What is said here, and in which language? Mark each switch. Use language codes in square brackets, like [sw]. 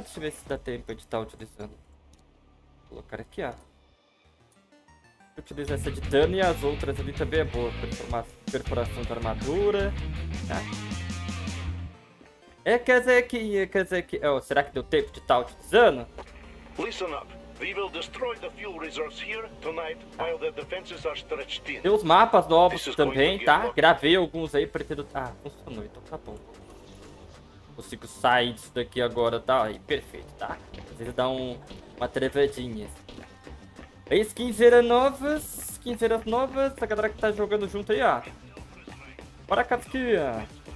[pt] Deixa eu ver se dá tempo de estar utilizando. Vou colocar aqui, ó. Vou utilizar essa de dano e as outras ali também é boa. Perfuração de armadura. Tá? É, quer dizer que... Oh, será que deu tempo de estar utilizando? [en] Listen up. We will destroy the fuel reserves here tonight while the defenses are stretched in. [pt] Tem os mapas novos também, tá? Gravei alguns aí, pretendo... Ah, funcionou, então tá bom. Consigo sair disso daqui agora, tá? Aí, perfeito, tá? Às vezes dá uma trevadinha. Skinzeiras novas, a galera que tá jogando junto aí, ó. Bora, Katsukiya.